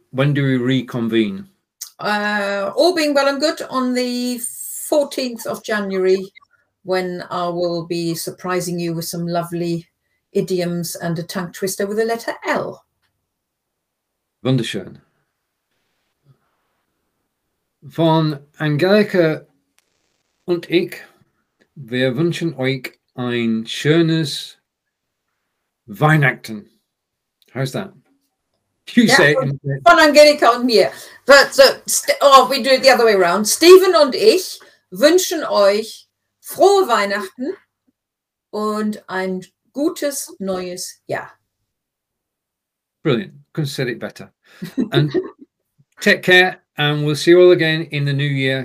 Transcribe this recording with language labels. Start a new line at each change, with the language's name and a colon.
English: When do we reconvene? All being well and good, on the 14th of January, when I will be surprising you with some lovely idioms and a tongue twister with the letter L.
German: Wunderschön. Von Angelika und ich, wir wünschen euch ein schönes Weihnachten.
English: How's that? You Yeah. say it in
German: Von Angelika und mir.
English: But so, st oh, we do it the other way around.
German: Stephen und ich wünschen euch frohe Weihnachten und ein gutes neues Jahr.
English: Brilliant. Couldn't said it better. And take care, and we'll see you all again in the new year.